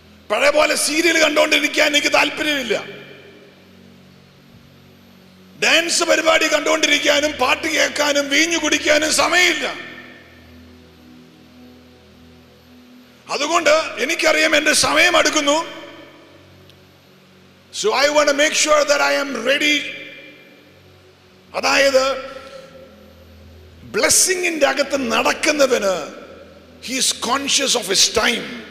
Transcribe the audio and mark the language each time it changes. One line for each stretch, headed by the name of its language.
Malayalam: പഴയ പോലെ സീരിയൽ കണ്ടുകൊണ്ടിരിക്കാൻ എനിക്ക് താല്പര്യമില്ല, ഡാൻസ് പരിപാടി കണ്ടുകൊണ്ടിരിക്കാനും പാട്ട് കേൾക്കാനും വീഞ്ഞു കുടിക്കാനും സമയമില്ല. അതുകൊണ്ട് എനിക്കറിയാം എൻ്റെ സമയം അടുക്കുന്നു.
English: So I want to make sure that I am ready.
Malayalam: അതായത് ബ്ലെസ്സിംഗിന്റെ അകത്ത് നടക്കുന്നവന്
English: He is conscious of his time.